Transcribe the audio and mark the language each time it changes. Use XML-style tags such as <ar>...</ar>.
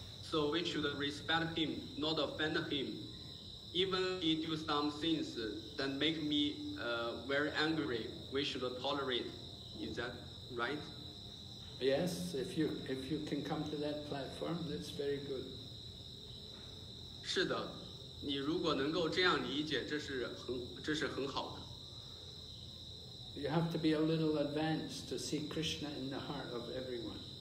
<en>So we should respect him, not offend him. Even if he do some things that make me very angry, we should tolerate. Is that right? Yes, if you can come to that platform, that's very good.</en> <zh>是的，你如果能够这样理解，这是很好的。</zh> <en>You have to be a little advanced to see Krishna in the heart of everyone.</en>